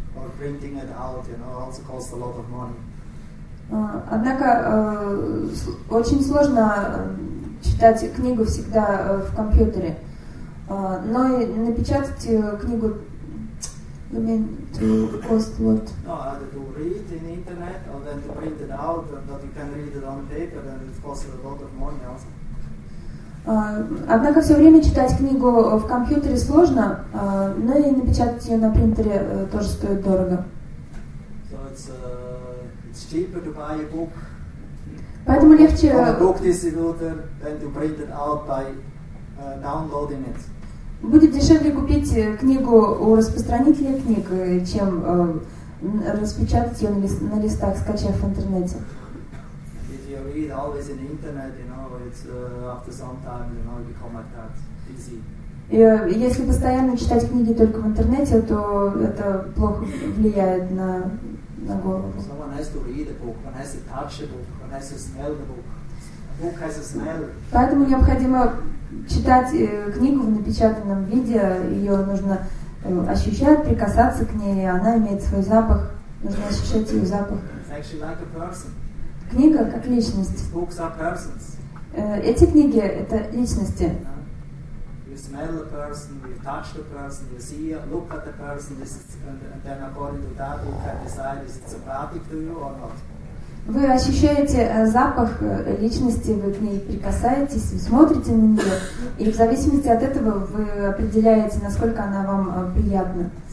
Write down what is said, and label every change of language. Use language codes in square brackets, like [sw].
[en] Or printing it out, you know, also costs a lot of money. [ru] Однако очень сложно читать книгу всегда в компьютере. Но и напечатать книгу, [en] you mean, to cost what? No, either to read in the internet or then to print it out, and that you can read it on paper, then it costs a lot of money also. [ru] Однако все время читать книгу в компьютере сложно, но и напечатать ее на принтере тоже стоит дорого. [en] So it's cheaper to buy a book. [ru] Поэтому легче [en] from a book distributor than to print it out by downloading it. [ru] Будет дешевле купить книгу у распространителя книг, чем распечатать ее на листах, скачав в интернете. [en] Read always in the internet, you know. It's after some time, you know, become like that easy. [ru] Если постоянно читать книги только в интернете, то это плохо влияет на голову. [en] Someone has to read a book. One has to touch a book. One has to smell the book. A book has a smell. [ru] Поэтому необходимо читать книгу в напечатанном виде. Ее нужно ощущать, прикасаться к ней. Она имеет свой запах. Нужно ощущать ее запах. [en] It's actually like a person. [ru] Книга как личность. [en] Books are persons. [ru] Эти книги это личности. [en] You smell the person, you touch the person, you see, look at the person, and then according to that, you can decide is it sympathetic to you or not. [ru] Вы ощущаете запах личности, вы к ней прикасаетесь, смотрите на нее, и в зависимости от этого вы определяете, насколько она вам приятна.